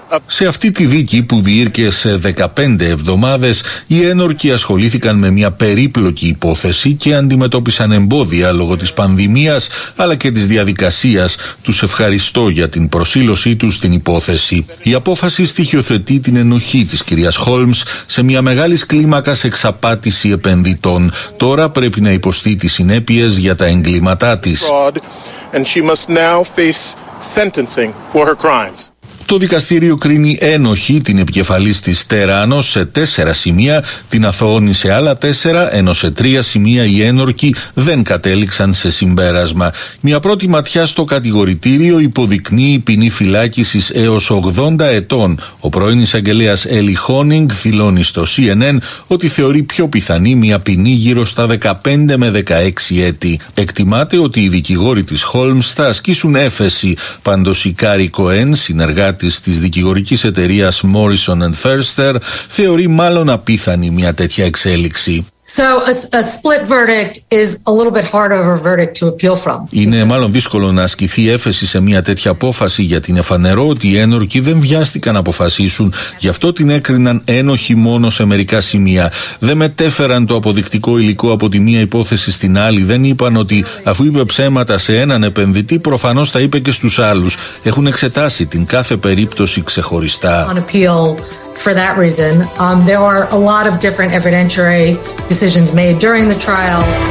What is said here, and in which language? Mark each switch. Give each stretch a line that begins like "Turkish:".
Greek: Σε αυτή τη δίκη που διήρκε σε 15 εβδομάδες, οι ένορκοι ασχολήθηκαν με μια περίπλοκη υπόθεση και αντιμετώπισαν εμπόδια λόγω της πανδημίας αλλά και της διαδικασίας. Τους ευχαριστώ για την προσήλωσή τους στην υπόθεση. Η απόφαση στοιχειοθετεί την ενοχή της κυρίας Χόλμς σε μια μεγάλης κλίμακας εξαπάτηση επενδυτών. Τώρα πρέπει να υποστεί τις συνέπειες για τα εγκλήματά της.
English: And she must now face sentencing for her crimes.
Greek: Το δικαστήριο κρίνει ένοχη την επικεφαλής της Τεράνος σε 4 σημεία, την αθωώνει σε άλλα 4, ενώ σε 3 σημεία οι ένορκοι δεν κατέληξαν σε συμπέρασμα. Μια πρώτη ματιά στο κατηγορητήριο υποδεικνύει ποινή φυλάκισης έως 80 ετών. Ο πρώην εισαγγελέας Έλι Χόνινγκ δηλώνει στο CNN ότι θεωρεί πιο πιθανή μια ποινή γύρω στα 15 με 16 έτη. Εκτιμάται ότι οι δικηγόροι της Χόλμς θα ασκήσουν έφεση. Πάντως η Κάρι Κοέν, συνεργάτης της δικηγορικής εταιρείας Morrison & Foerster, θεωρεί μάλλον απίθανη μια τέτοια εξέλιξη.
English: So a split verdict is a little bit harder of a verdict to appeal from.
Greek: Είναι μάλλον δύσκολο να ασκηθεί έφεση σε μια τέτοια απόφαση, γιατί είναι φανερό ότι οι ένορκοι δεν βιάστηκαν να αποφασίσουν, γι' αυτό την έκριναν ένοχη μόνο σε μερικά σημεία. Δεν μετέφεραν το αποδεικτικό υλικό από τη μία υπόθεση στην άλλη, δεν είπαν ότι αφού είπε ψέματα σε έναν επενδυτή, προφανώς θα είπε και στους άλλους. Έχουν εξετάσει την κάθε περίπτωση ξεχωριστά.
English: For that reason, there are a lot of different evidentiary decisions made during the trial.